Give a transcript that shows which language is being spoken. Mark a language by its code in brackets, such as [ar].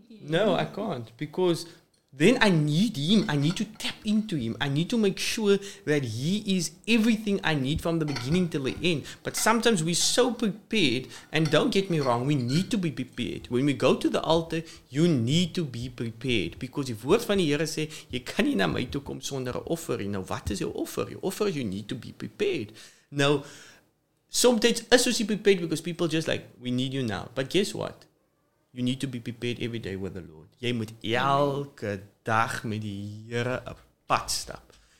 [en] No, I can't. Because then I need Him. I need to tap into Him. I need to make sure that He is everything I need from the beginning till the end. But sometimes we're so prepared, and don't get me wrong, we need to be prepared. When we go to the altar, you need to be prepared. [af] Because die woord van die Here sê, jy kan nie na my toe kom sonder 'n offer. Nou, wat is jou offer? [en] Your offer is you need to be prepared. Nou, sometimes [af] is ons nie [en] prepared because people just like, we need you now. But guess what? You need to be prepared every day with the Lord. [af] Jy moet elke dag met die Here 'n pad stap.